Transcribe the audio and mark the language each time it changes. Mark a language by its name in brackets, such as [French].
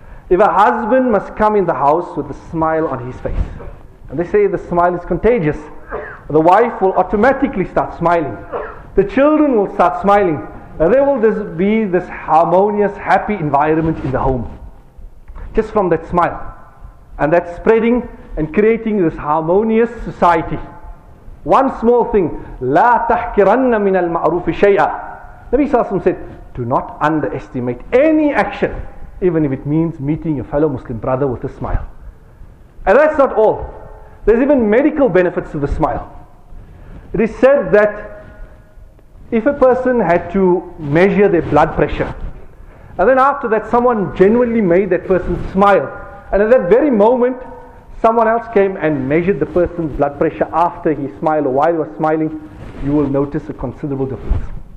[English] If a husband must come in the house with a smile on his face, and they say the smile is contagious, the wife will automatically start smiling. The children will start smiling. And there will be this harmonious, happy environment in the home, just from that smile. And that's spreading and creating this harmonious society. One small thing: [Arabic] لَا تَحْكِرَنَّ مِنَ الْمَعْرُوفِ شَيْئًا. [English] Nabi Sallallahu Alaihi Wasallam said, do not underestimate any action, even if it means meeting your fellow Muslim brother with a smile. And that's not all. There's even medical benefits to the smile. It is said that if a person had to measure their blood pressure, and then after that someone genuinely made that person smile, and at that very moment someone else came and measured the person's blood pressure after he smiled, or while he was smiling, you will notice a considerable difference.